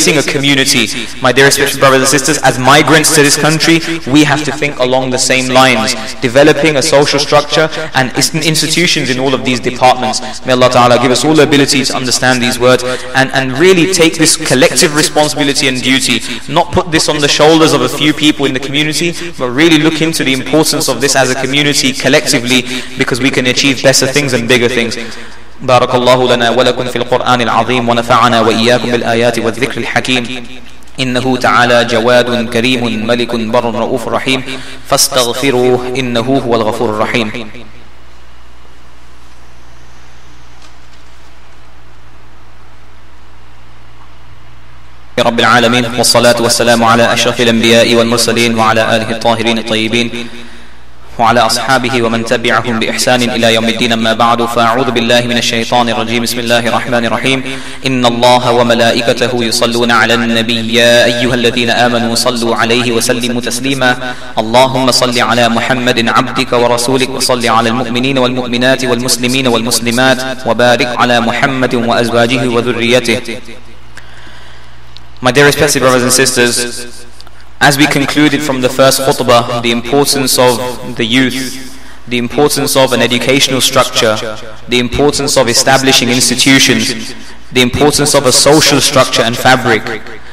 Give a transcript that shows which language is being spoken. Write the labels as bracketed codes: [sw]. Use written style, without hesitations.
[en] facing a community, my dear spiritual brothers and sisters, as migrants to this country, we have to think along the same lines, developing a social structure and institutions in all of these departments. May Allah Ta'ala give us all the ability to understand these words and really take this collective responsibility and duty, not put this on the shoulders of a few people in the community, but really look into the importance of this as a community collectively, because we can achieve better things and bigger things. [ar] بارك الله لنا ولكم في القرآن العظيم ونفعنا وإياكم بالآيات والذكر الحكيم إنه تعالى جواد كريم ملك بر رؤوف رحيم فاستغفروه إنه هو الغفور الرحيم. رب العالمين والصلاة والسلام على أشرف الأنبياء والمرسلين وعلى آله الطاهرين الطيبين وعلى أصحابه ومن تبعهم بإحسان إلى يوم الدين. أما بعد، فأعوذ بالله من الشيطان الرجيم، بسم الله الرحمن الرحيم. إن الله وملائكته يصلون على النبي، يا أيها الذين آمنوا صلوا عليه وسلموا تسليما. اللهم صل على محمد عبدك ورسولك، وصل على المؤمنين والمؤمنات والمسلمين والمسلمات، وبارك على محمد وأزواجه وذريته. [en] My dear respected brothers and sisters, as we concluded from the first khutbah, the importance of the youth, the importance of an educational structure, the importance of establishing institutions, the importance of a social structure and fabric,